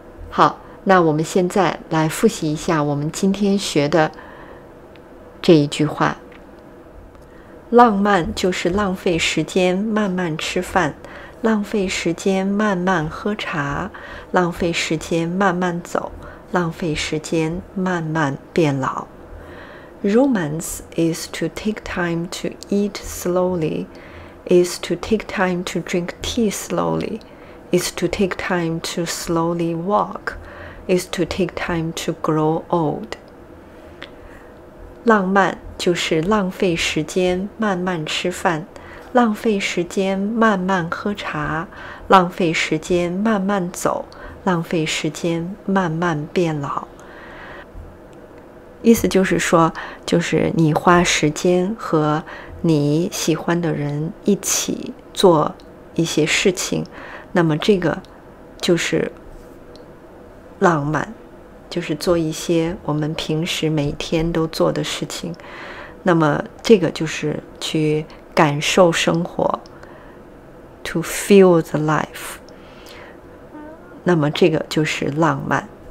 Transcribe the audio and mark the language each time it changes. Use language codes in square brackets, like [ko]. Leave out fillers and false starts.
[zh] 好，那我们现在来复习一下我们今天学的这一句话。浪漫就是浪费时间慢慢吃饭，浪费时间慢慢喝茶，浪费时间慢慢走，浪费时间慢慢变老。 [en] Romance is to take time to eat slowly, is to take time to drink tea slowly, is to take time to slowly walk, is to take time to grow old。 [zh] 浪漫就是浪费时间慢慢吃饭，浪费时间慢慢喝茶，浪费时间慢慢走，浪费时间慢慢变老。意思就是说，就是你花时间和你喜欢的人一起做一些事情，那么这个就是浪漫，就是做一些我们平时每天都做的事情，那么这个就是去感受生活 [en] to feel the life， [zh] 那么这个就是浪漫。